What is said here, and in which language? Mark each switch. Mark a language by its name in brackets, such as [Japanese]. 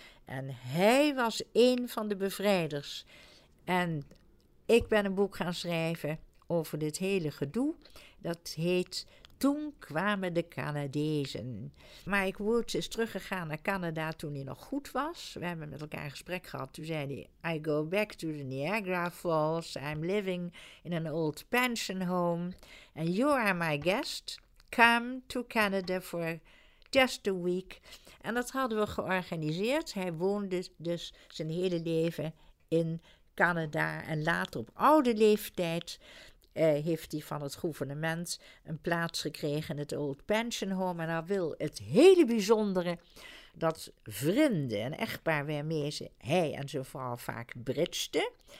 [Dutch] En hij was een van de bevrijders. En ik ben een boek gaan schrijven over dit hele gedoe. Dat heet Toen kwamen de Canadezen. Mike Woods is teruggegaan naar Canada toen hij nog goed was. We hebben met elkaar een gesprek gehad. Toen zei hij, [English] I go back to the Niagara Falls. I'm living in an old pension home. And you are my guest. Come to Canada for just a week. [Dutch] En dat hadden we georganiseerd. Hij woonde dus zijn hele leven in Canada. En later op oude leeftijd heeft hij van het gouvernement een plaats gekregen in het Old Pension Home. En dan wil het hele bijzondere dat vrienden, een echtpaar waarmee ze, hij en zijn vrouw vaak bridgeten.